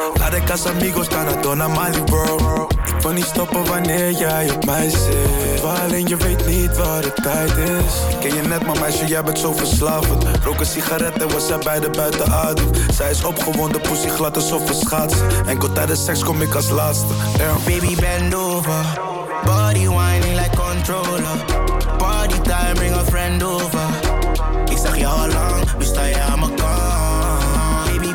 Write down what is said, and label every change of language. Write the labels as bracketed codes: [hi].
[nl] Laat de Casamigos gaan, naar Donna Mali World. Ik wil niet stoppen wanneer jij op mij zit. Alleen je weet niet waar de tijd is. Ken je net, maar meisje, jij bent zo verslavend. Rook een sigaret en we zijn beide buiten adem. Zij is opgewonden, pussy glad alsof we schaatsen. Enkel tijdens seks kom ik als laatste. [en] Damn. Baby, bend over. Body whining like controller. Party time, bring a friend over. [nl] Ik zag jou al lang, nu sta je aan mijn kant.